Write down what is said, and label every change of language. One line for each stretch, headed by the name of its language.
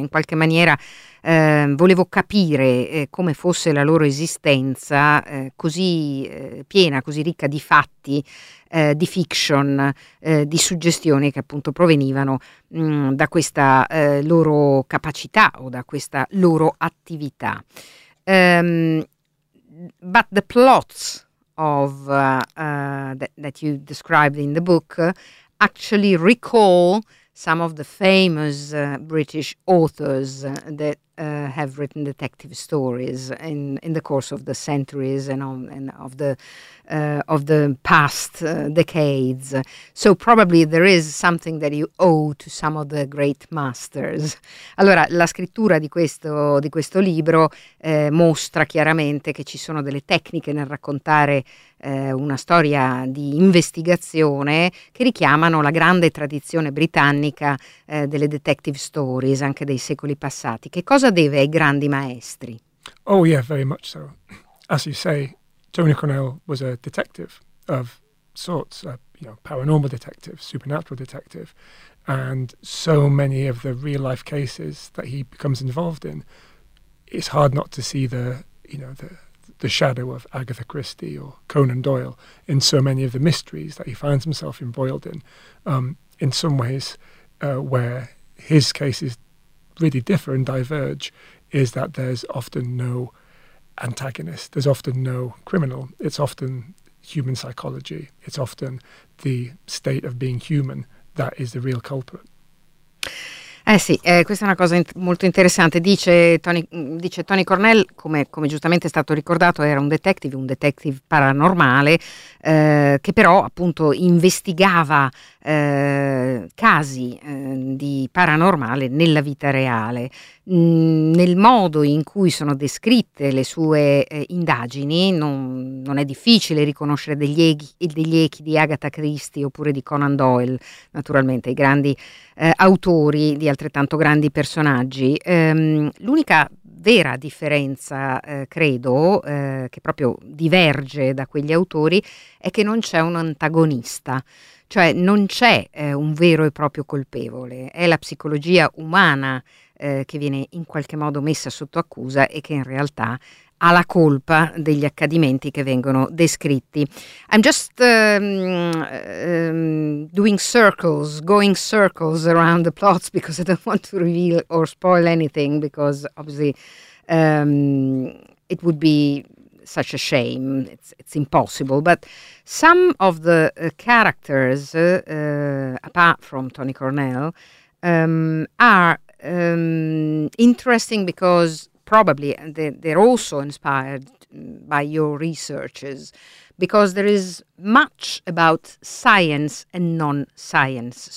Italian: In qualche maniera volevo capire come fosse la loro esistenza così piena, così ricca di fatti, di fiction, di suggestioni che appunto provenivano da questa loro capacità o da questa loro attività.
English: But the plots of that you described in the book actually recall some of the famous British authors that have written detective stories in the course of the centuries and of the past decades. So probably there is something that you owe to some of the great masters.
Italian: Allora, la scrittura di questo libro mostra chiaramente che ci sono delle tecniche nel raccontare una storia di investigazione che richiamano la grande tradizione britannica delle detective stories, anche dei secoli passati. Che cosa deve ai grandi maestri?
English: Oh yeah, very much so. As you say, Tony Cornell was a detective of sorts, a paranormal detective, supernatural detective, and so many of the real life cases that he becomes involved in, it's hard not to see the shadow of Agatha Christie or Conan Doyle in so many of the mysteries that he finds himself embroiled in. In some ways, where his cases really differ and diverge is that there's often no antagonist, there's often no criminal. It's often human psychology. It's often the state of being human that is the real culprit.
Italian: Questa è una cosa molto interessante. Dice Tony Cornell, come giustamente è stato ricordato, era un detective paranormale che però appunto investigava casi di paranormale nella vita reale. Nel modo in cui sono descritte le sue indagini non è difficile riconoscere degli echi di Agatha Christie oppure di Conan Doyle, naturalmente i grandi autori di altrettanto grandi personaggi. L'unica vera differenza, credo, che proprio diverge da quegli autori, è che non c'è un antagonista. Cioè non c'è un vero e proprio colpevole, è la psicologia umana che viene in qualche modo messa sotto accusa e che in realtà ha la colpa degli accadimenti che vengono descritti.
English: I'm just going circles around the plots because I don't want to reveal or spoil anything because obviously it would be such a shame, it's impossible. But some of the characters, apart from Tony Cornell, are interesting because probably they're also inspired by your researches, because there is much about science and non-science.